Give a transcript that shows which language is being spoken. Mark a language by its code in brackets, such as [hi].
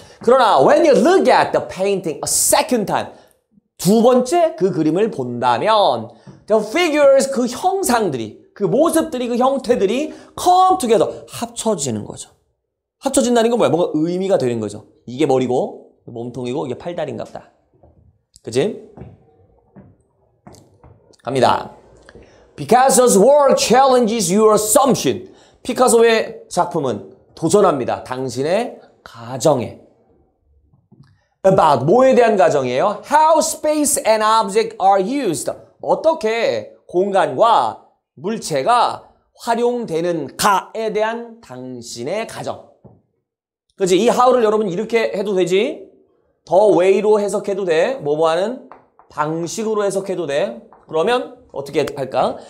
[ko] 그러나 [en] when you look at the painting a second time, [ko] 두 번째 그 그림을 본다면 [en] the figures, [ko] 그 형상들이, 그 모습들이, 그 형태들이 [en] come together, [ko] 합쳐지는 거죠. 합쳐진다는 건 뭐야? 뭔가 의미가 되는 거죠. 이게 머리고, 몸통이고, 이게 팔다리인가 보다. 그지? 갑니다. [en] Picasso's work challenges your assumption. [ko] 피카소의 작품은 도전합니다. 당신의 가정에. About 뭐에 대한 가정이에요? [en] How space and object are used. [ko] 어떻게 공간과 물체가 활용되는가에 대한 당신의 가정. 그치? 이 how를 여러분 이렇게 해도 되지? [en] The way [ko] 로 해석해도 돼. 뭐뭐 하는 방식으로 해석해도 돼. 그러면 어떻게 할까?